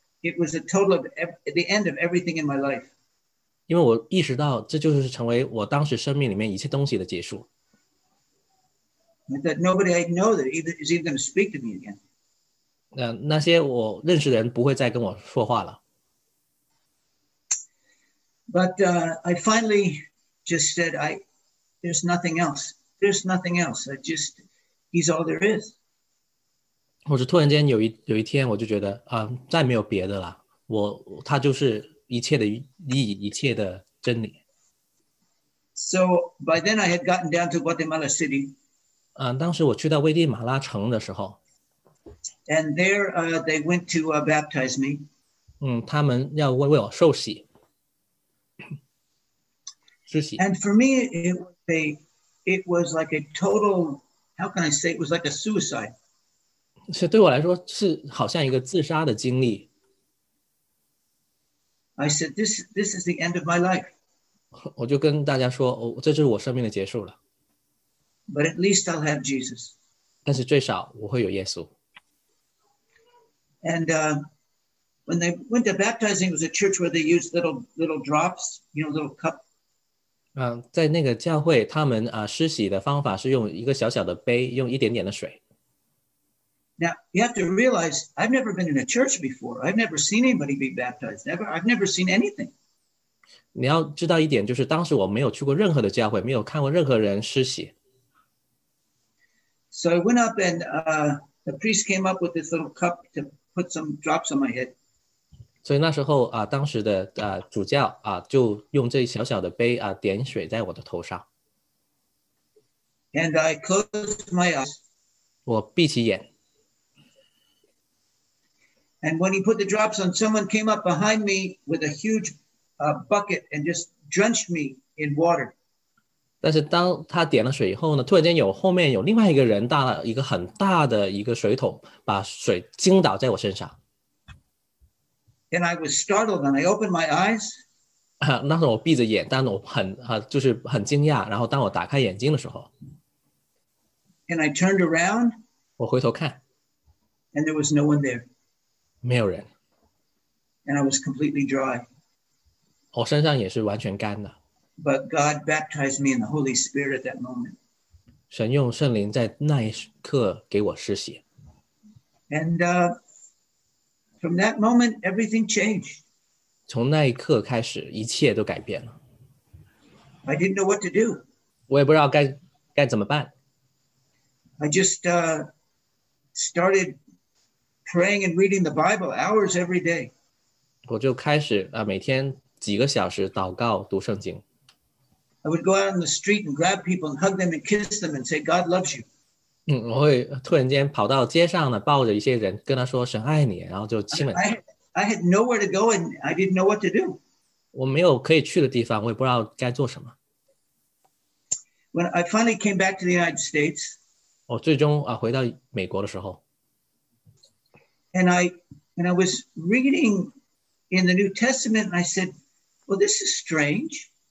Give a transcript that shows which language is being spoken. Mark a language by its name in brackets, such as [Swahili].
[English] It was a total of the end of everything in my life. [Chinese] 因为我意识到这就是成为我当时生命里面一切东西的结束。 [English] I thought nobody I know that is even going to speak to me again. [Chinese] 那些我认识的人不会再跟我说话了。 [English] But I finally just said, there's nothing else. There's nothing else. He's all there is. [Chinese] 我是突然间有一天，我就觉得再没有别的了。他就是一切的意义，一切的真理。 [English] So by then I had gotten down to Guatemala City. [Chinese] 当时我去到危地马拉城的时候。 [English] And there, they went to baptize me. [Chinese] 他们要为我受洗。 [English] And for me, it was like a total, how can I say, it was like a suicide. [Chinese] 是对我来说是好像一个自杀的经历。 [English] I said, this is the end of my life. [Chinese] 我就跟大家说，这就是我生命的结束了。 [English] But at least I'll have Jesus. [Chinese] 但是最少我会有耶稣。 [English] And when they went to baptizing, it was a church where they used little drops, you know, little cup. [Chinese] 在那个教会，他们施洗的方法是用一个小小的杯，用一点点的水。 [English] Now you have to realize, I've never been in a church before. I've never seen anybody be baptized. I've never seen anything. [Chinese] 你要知道一点，就是当时我没有去过任何的教会，没有看过任何人施洗。 [English] So I went up and the priest came up with this little cup to put some drops on my head. [Chinese] 所以那时候当时的主教就用这小小的杯点水在我的头上。 [English] And I closed my eyes. [Chinese] 我闭起眼。 [English] And when he put the drops on, someone came up behind me with a huge bucket and just drenched me in water. [Chinese] 但是当他点了水以后呢，突然间后面有另外一个人带了一个很大的一个水桶，把水倾倒在我身上。 [English] And I was startled and I opened my eyes. [Chinese] 那时候我闭着眼，但我就是很惊讶。然后当我打开眼睛的时候 [English] ，And I turned around. [Chinese] 我回头看 [English] ，And there was no one there. [Chinese] 没有人。 [English] And I was completely dry. [Chinese] 我身上也是完全干的。 [English] But God baptized me in the Holy Spirit that moment. [Chinese] 神用圣灵在那一刻给我施洗。 [English] And from that moment, everything changed. [Chinese] 从那一刻开始，一切都改变了。 [English] I didn't know what to do. [Chinese] 我也不知道该怎么办。 [English] I just started... praying and reading the Bible hours every day. [Chinese] 我就开始每天几个小时祷告读圣经。 [English] I would go out on the street and grab people and hug them and kiss them and say, God loves you. [Chinese] 我会突然间跑到街上呢，抱着一些人跟他说神爱你，然后就亲吻。 [English] I had nowhere to go and I didn't know what to do. [Chinese] 我没有可以去的地方，我也不知道该做什么。 [English] When I finally came back to the United States, [Chinese] 我最终回到美国的时候。 [English] And I was reading in the New Testament, and I said, "Well, this is strange."